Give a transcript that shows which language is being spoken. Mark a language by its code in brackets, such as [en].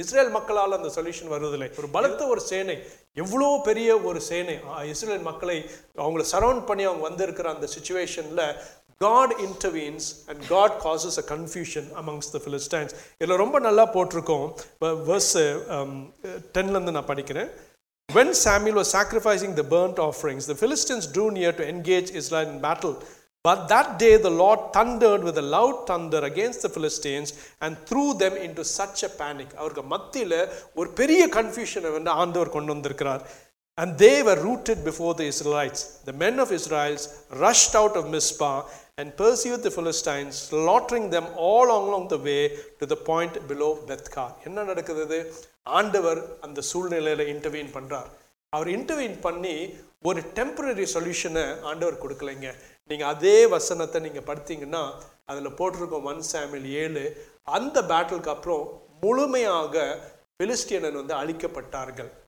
[ta] Israel மக்களால் அந்த solution வருவதில்லை. ஒரு பலத்த ஒரு சேனை, எவ்வளோ பெரிய ஒரு சேனை இஸ்ரேல் மக்களை அவங்கள சரவுண்ட் பண்ணி அவங்க வந்திருக்கிற அந்த சுச்சுவேஷனில் [en] God intervenes and God causes a confusion amongst the Philistines. [ta] இதில் ரொம்ப நல்லா போட்டிருக்கோம், verse 10 நான் படிக்கிறேன். [en] When Samuel was sacrificing the burnt offerings, the Philistines drew near to engage Israel in battle. But that day the Lord thundered with a loud thunder against the Philistines and threw them into such a panic. [ta] அவர்கள் மத்தியில் ஒரு பெரிய கன்ஃபியூஷனை வந்து ஆண்டவர் கொண்டு வந்திருக்கிறார். [en] And they were rooted before the Israelites. The men of Israel rushed out of Mizpah and pursued the Philistines, slaughtering them all along the way to the point below Beth-kar. [ta] என்ன நடக்குது? ஆண்டவர் அந்த சூழ்நிலையில் இன்டர்வீன் பண்ணுறார். அவர் intervene பண்ணி ஒரு temporary சொல்யூஷனை ஆண்டவர் கொடுக்கலைங்க. நீங்கள் அதே வசனத்தை நீங்கள் படித்தீங்கன்னா அதில் போட்டிருக்கோம் 1 Samuel 7, அந்த பேட்டிலுக்கு அப்புறம் முழுமையாக பிலிஸ்டியன் வந்து அழிக்கப்பட்டார்கள்.